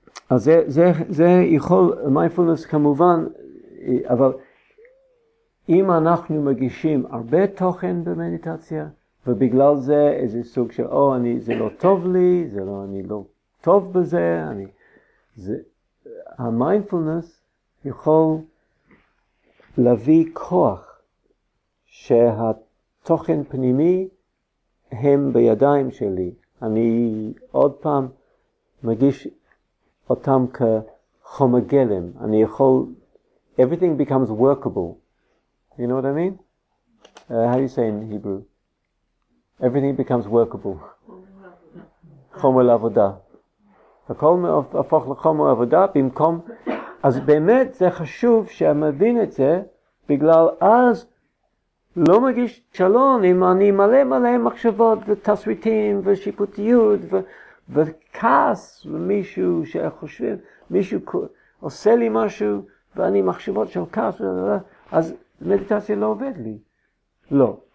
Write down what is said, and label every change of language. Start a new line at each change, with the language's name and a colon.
Hebrew: אז זה יכול, מיינדפולנס כמובן, אבל אם אנחנו מגישים הרבה תוכן במדיטציה, ובגלל זה איזה סוג של, אני, זה לא טוב לי, זה לא, אני לא טוב בזה, המיינדפולנס יכול להביא כוח שהתוכן פנימי הם בידיים שלי. אני עוד פעם מגיש אותם כחומר גלם. אני יכול,
English: everything becomes workable. You know what I mean? How do you say in Hebrew? Everything becomes workable.
Hebrew: חומר לעבודה. הכל הפוך לחומר עבודה במקום, אז באמת זה חשוב שמבין את זה, בגלל אז לא מגיש שלום אם אני מלא מלא מחשבות ותסריטים ושיפוטיות וכעס ומישהו שחושבים, מישהו עושה לי משהו ואני מחשבות של כעס, אז מדיטציה לא עובד לי. לא.